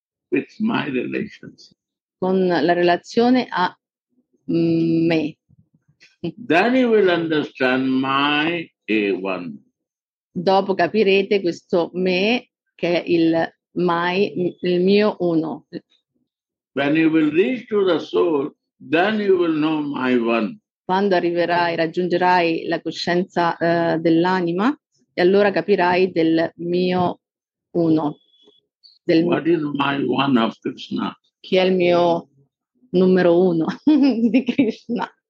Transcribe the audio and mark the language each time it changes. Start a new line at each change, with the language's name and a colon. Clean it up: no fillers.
English: With my relations.
Italian: Con la relazione a me.
English: Then you will understand my A1.
Italian: Dopo capirete questo me che è il mio uno.
English: When you will reach to the soul, then you will know my one.
Italian: Quando arriverai, raggiungerai la coscienza dell'anima, e allora capirai del mio uno.
English: What is my one of Krishna?
Italian: Chi è il mio numero uno di Krishna?